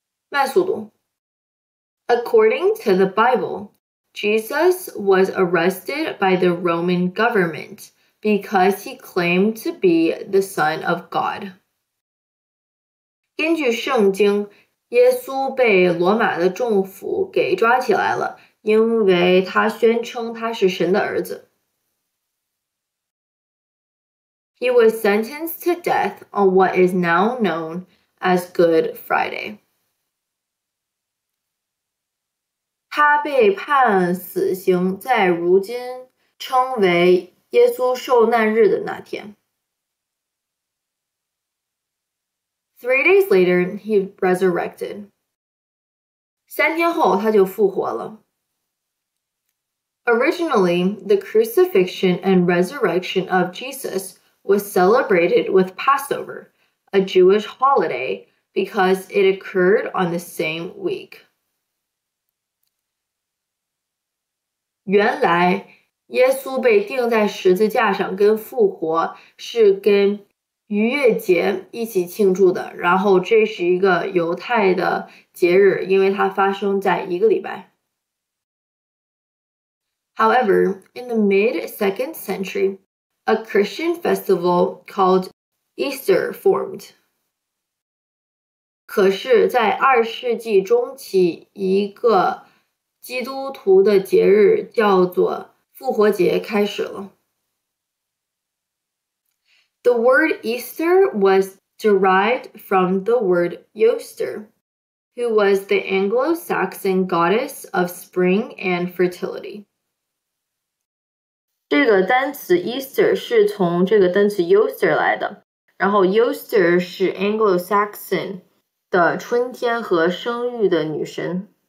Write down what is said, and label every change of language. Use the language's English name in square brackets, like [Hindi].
[Chinese] 慢速读。 [English] According to the Bible, Jesus was arrested by the Roman government because he claimed to be the Son of God. [Chinese] 根据圣经，耶稣被罗马的政府给抓起来了，因为他宣称他是神的儿子。 [English] He was sentenced to death on what is now known as Good Friday. [Chinese] 他被判死刑在如今称为耶稣受难日的那天。 [English] 3 days later, he resurrected. [Chinese] 三天后他就复活了。 [English] Originally, the crucifixion and resurrection of Jesus was celebrated with Passover, a Jewish holiday, because it occurred on the same week. [Chinese] 原来耶稣被钉在十字架上跟复活是跟逾越节一起庆祝的，然后这是一个犹太的节日，因为它发生在一个礼拜。 [English] However, in the mid-second century, a Christian festival called Easter formed. [Chinese] 可是在二世纪中期，一个基督徒的节日叫做复活节开始了。 [English] The word Easter was derived from the word Yoster, who was the Anglo-Saxon goddess of spring and fertility. [Chinese] 这个单词 Easter 是从这个单词 Yoster 来的，然后 Yoster 是 Anglo-Saxon 的春天和生育的女神。